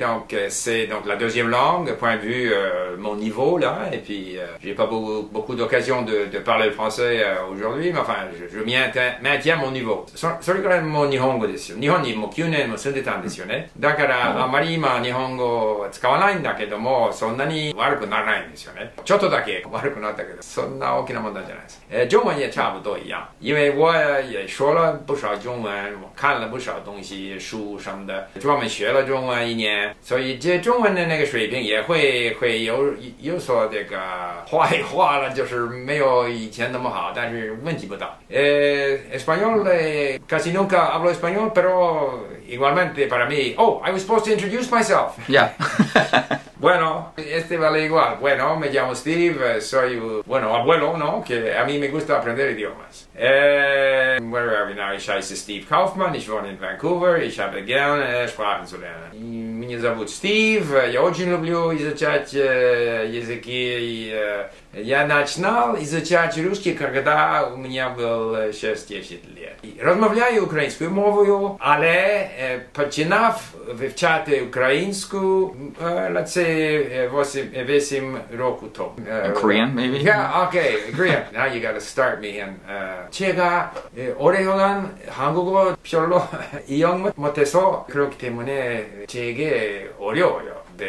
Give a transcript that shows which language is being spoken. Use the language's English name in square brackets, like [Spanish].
[French] Donc, c'est donc la deuxième langue, point de vue mon niveau, là. Et puis, j'ai pas beaucoup d'occasion de parler le français aujourd'hui. Mais enfin, je maintiens mon niveau. [Japanese] それからもう日本語ですよ。日本にも9年も住んでたんですよね。だから、あまり今日本語使わないんだけども、そんなに悪くならないんですよね。ちょっとだけ悪くなったけど、そんな大きな問題じゃないです。 [Chinese] 中文也差不多一样。因为我也说了不少中文、看了不少东西、书什么的、专门学了中文一年、所以这中文的那个水平也会有所这个坏化了、就是没有以前那么好、但是问题不大。 [Spanish] español casi nunca hablo español, pero igualmente para mí... [English] Oh, I was supposed to introduce myself. Yeah. [Spanish] Bueno, este vale igual. Bueno, me llamo Steve. Soy, bueno, abuelo, ¿no? Que a mí me gusta aprender idiomas. [English] Where are we now? [German] Ich heiße Steve Kaufmann. Ich wohne in Vancouver. Ich habe gerne Sprachen zu lernen. [Russian] Меня зовут Steve. Я очень люблю изучать языки. Я начинал изучать русский, когда у меня было 6-10 лет. [Ukrainian] Размовляю украинскую мову, але починав вивчати українську, [English] let's say, [Ukrainian] 8 років тому. [English] Korean, maybe? Yeah, okay, Korean. Now you gotta start me in. [Korean] 제가 오랫동안 한국어 별로 이용 못해서 그렇기 때문에 제게 어려워요.